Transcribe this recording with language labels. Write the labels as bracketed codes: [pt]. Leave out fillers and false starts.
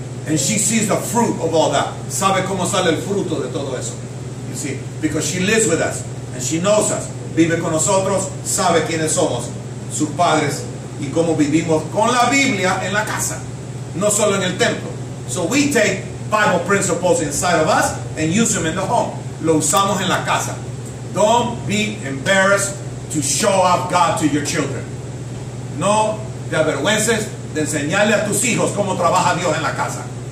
[en] And she sees the fruit of all that. [es] Sabe cómo sale el fruto de todo eso. [en] You see, because she lives with us and she knows us. [es] Vive con nosotros, sabe quiénes somos, sus padres y cómo vivimos con la Biblia en la casa, no solo en el templo. [en] So we take Bible principles inside of us and use them in the home. [es] Lo usamos en la casa. [en] Don't be embarrassed to show off God to your children. [es] No te avergüences de enseñarle a tus hijos cómo trabaja Dios en la casa.